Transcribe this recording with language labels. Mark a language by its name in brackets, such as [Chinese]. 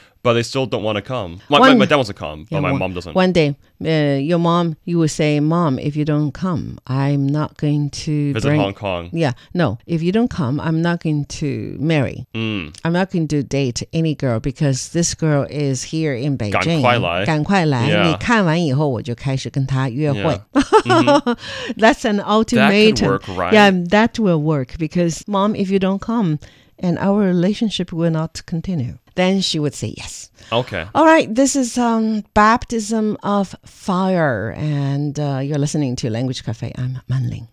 [English] But they still don't want to come. My dad wants to come, yeah, but my mom doesn't. One day,、your mom, you will say, Mom, if you don't come, I'm not going to... Visit bring... Hong Kong. Yeah, no. If you don't come, I'm not going to marry.、 Mm. I'm not going to date any girl because this girl is here in Beijing. [Chinese] 赶快来。赶快来。 [English] Yeah. [Chinese] 你看完以后我就开始跟她约会。 [English] Yeah. Mm-hmm. That's an ultimatum. That could work, right? Yeah, that will work because, Mom, if you don't come, and our relationship will not continue. Then she would say yes. Okay. All right. This is Baptism of Fire. And you're listening to Language Cafe. I'm Manling.